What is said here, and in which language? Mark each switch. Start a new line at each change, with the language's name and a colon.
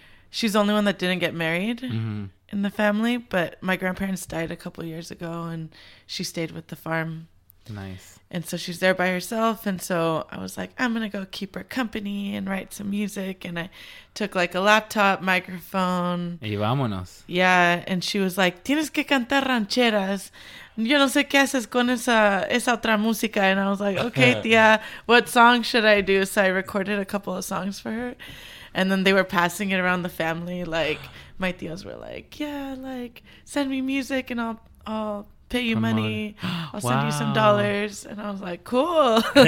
English: She's the only one that didn't get married in the family, but my grandparents died a couple years ago, and she stayed with the farm. Nice. And so she's there by herself, and so I was like, I'm going to go keep her company and write some music, and I took, like, a laptop, microphone.
Spanish: Y vámonos.
English: Yeah, and she was like,
Spanish: tienes que cantar rancheras. Yo no sé qué haces con esa otra música.
English: And I was like, okay, tía, what song should I do? So I recorded a couple of songs for her. And then they were passing it around the family. Like, my tías were like, yeah, like, send me music and I'll pay you money. I'll send you some dollars. And I was like, cool.